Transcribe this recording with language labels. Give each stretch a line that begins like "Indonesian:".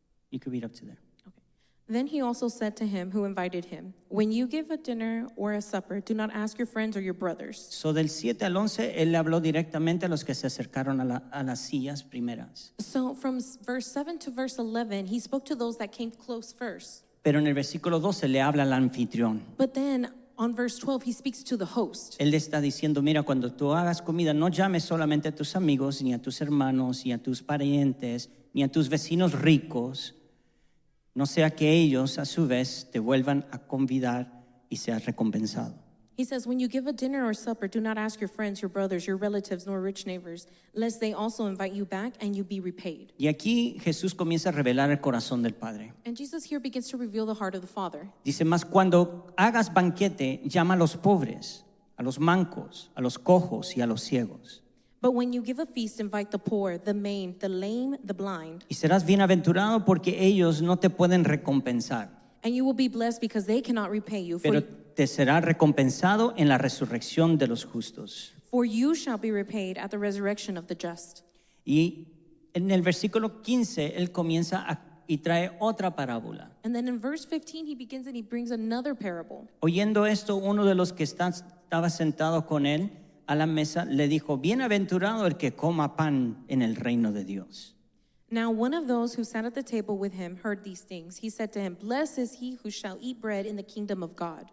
English: You could read up to there. Okay. Then he also said to him who invited him, when you give a dinner or a supper, do not ask your friends or your brothers.
Spanish: So del 7 al 11, él le habló directamente a los que se acercaron a las sillas primeras.
English: So from verse 7 to verse 11, he spoke to those that came close first.
Spanish: Pero en el versículo 12 le habla al anfitrión.
English: But then on verse 12, he speaks to the host.
Spanish: Él está diciendo, mira, cuando tú hagas comida, no llames solamente a tus amigos, ni a tus hermanos, ni a tus parientes, ni a tus vecinos ricos, no sea que ellos, a su vez, te vuelvan a convidar y seas recompensado.
English: He says, when you give a dinner or supper, do not ask your friends, your brothers, your relatives, nor rich neighbors, lest they also invite you back and you be repaid.
Spanish: Y aquí Jesús comienza a revelar el corazón del Padre.
English: And Jesus here begins to reveal the heart of the Father.
Spanish: Dice, mas cuando hagas banquete, llama a los pobres, a los mancos, a los cojos y a los ciegos.
English: But when you give a feast, invite the poor, the maimed, the lame, the blind.
Spanish: Y serás bienaventurado porque ellos no te pueden recompensar.
English: And you will be blessed because they cannot repay you.
Spanish: Pero te será recompensado en la resurrección de los justos.
English: For you shall be repaid at the resurrection of the just.
Spanish: Y en el versículo 15, él comienza y trae otra parábola.
English: And then in verse 15, he begins and he brings another parable.
Spanish: Oyendo esto, uno de los que estaba sentado con él a la mesa le dijo, bienaventurado el que coma pan en el reino de Dios.
English: Now one of those who sat at the table with him heard these things. He said to him, blessed is he who shall eat bread in the kingdom of God.